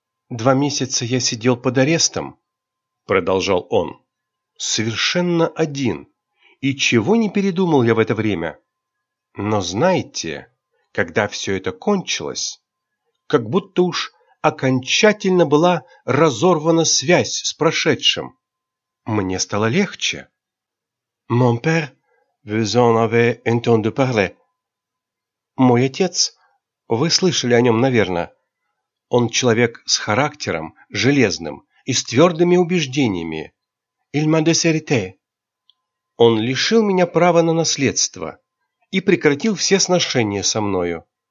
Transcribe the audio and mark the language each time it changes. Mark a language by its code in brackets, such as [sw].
[ru] 2 месяца я сидел под арестом, продолжал он, совершенно один, и чего не передумал я в это время. Но знаете, когда все это кончилось, как будто уж окончательно была разорвана связь с прошедшим. Мне стало легче. [fr] Mon père, vous en avez entendu parler. [ru] Мой отец, вы слышали о нем, наверное. Он человек с характером железным и с твердыми убеждениями. [fr] Il m'a déshérité. [ru] Он лишил меня права на наследство и прекратил все сношения со мною.